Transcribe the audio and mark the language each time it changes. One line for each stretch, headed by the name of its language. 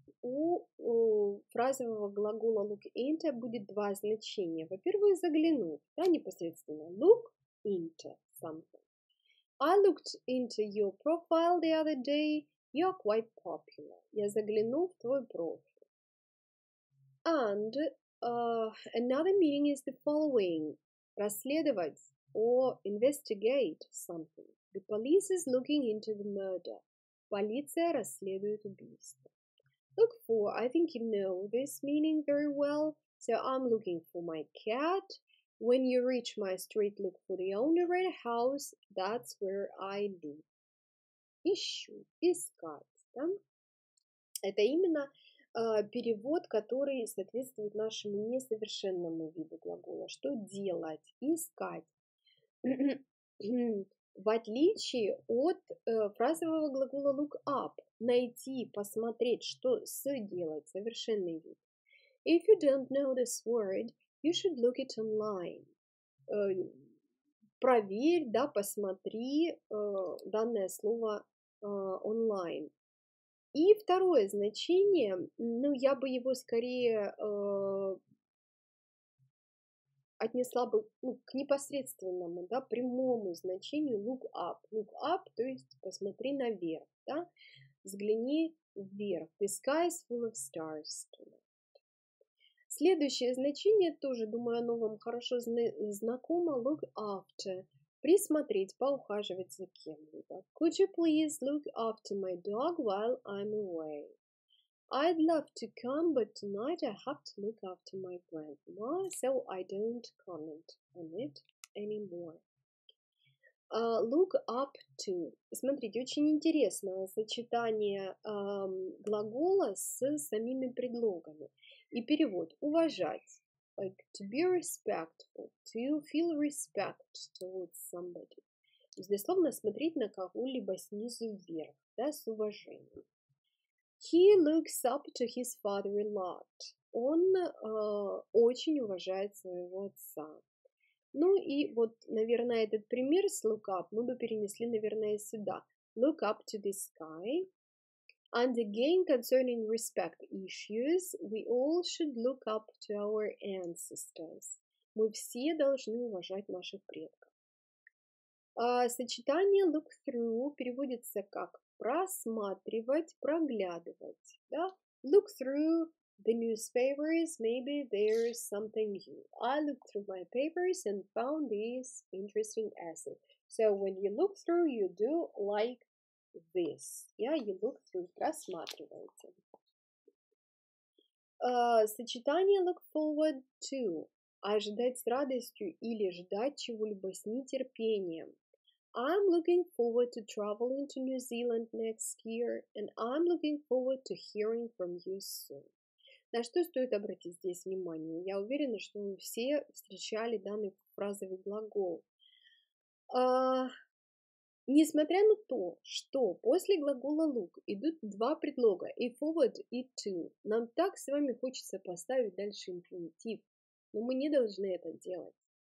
Russian: У фразового глагола look into будет два значения. Во-первых, заглянуть, да, непосредственно.
English: Look into something. I looked into your profile the other day. You're quite popular.
Russian: Я заглянул в твой профиль.
English: And another meaning is the following.
Russian: Расследовать
English: or investigate something. The police is looking into the murder.
Russian: Полиция расследует убийство.
English: Look for. I think you know this meaning very well. So I'm looking for my cat. When you reach my street, look for the owner of the house. That's where I live.
Russian: ищу, искать, да? Это именно перевод, который соответствует нашему несовершенному виду глагола. Что делать? Искать. В отличие от фразового глагола look up, найти, посмотреть, что сделать, совершенный вид.
English: If you don't know this word, you should look it online.
Russian: Проверь, да, посмотри данное слово онлайн. И второе значение, ну, я бы его скорее отнесла бы, ну, к непосредственному, да, прямому значению look up. Look up, то есть посмотри наверх, да, взгляни вверх.
English: The sky is full of stars.
Russian: Следующее значение тоже, думаю, оно вам хорошо знакомо.
English: Look after.
Russian: Присмотреть, поухаживать за кем-либо.
English: Could you please look after my dog while I'm away? I'd love to come, but tonight I have to look after my grandma, so I don't comment on it anymore. Look up to.
Russian: Смотрите, очень интересное сочетание глагола с самими предлогами. И перевод. Уважать.
English: Like to be respectful, to feel respect towards somebody.
Russian: Безусловно, смотреть на кого-либо снизу вверх, да, с уважением.
English: He looks up to his father a lot.
Russian: Он очень уважает своего отца. Ну и вот, наверное, этот пример с look up мы бы перенесли, наверное, сюда.
English: Look up to the sky. And again, concerning respect issues, we all should look up to our ancestors.
Russian: Мы все должны уважать наших предков. Сочетание look through переводится как просматривать, проглядывать, да?
English: Look through the newspapers, maybe there's something new. I looked through my papers and found this interesting essay. So when you look through, you do like this. Yeah, you look through, просматриваете.
Russian: Сочетание look forward to. Ожидать с радостью или ждать чего-либо с нетерпением.
English: I'm looking forward to traveling to New Zealand next year, and I'm looking forward to hearing from you soon.
Russian: На что стоит обратить здесь внимание? Я уверена, что вы все встречали данный фразовый глагол. Несмотря на то, что после глагола look идут два предлога, и forward, и to, нам так с вами хочется поставить дальше инфинитив, но мы не должны это делать.